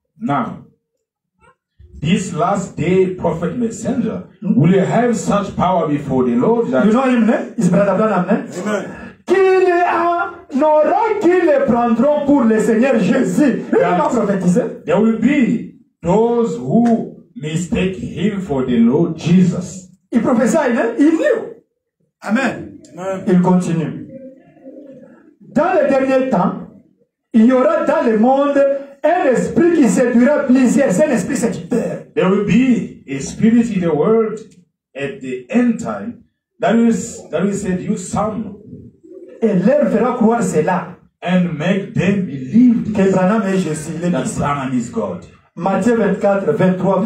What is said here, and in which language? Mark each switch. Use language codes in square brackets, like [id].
[en] Now, this last day prophet messenger will have such power before the Lord that. You know him, hein? Is Brother Branham, hein? Amen. [fr] Qu'il en aura qui le prendront pour le Seigneur Jésus. Lui n'a pas prophétisé. [en] There will be those who mistake him for the Lord Jesus. [fr] Il prophétisait, hein? Il knew. Amen. Amen. Il continue. Dans les derniers temps, il y aura dans le monde un esprit qui séduira plusieurs. C'est l'esprit séducteur. [en] There will be a spirit in the world at the end time that will seduce some. [fr] et leur fera croire cela. [en] And make them believe [fr] que Branham est Jésus, le [en] Messie. That Branham is God. [fr] Matthieu 24, 23.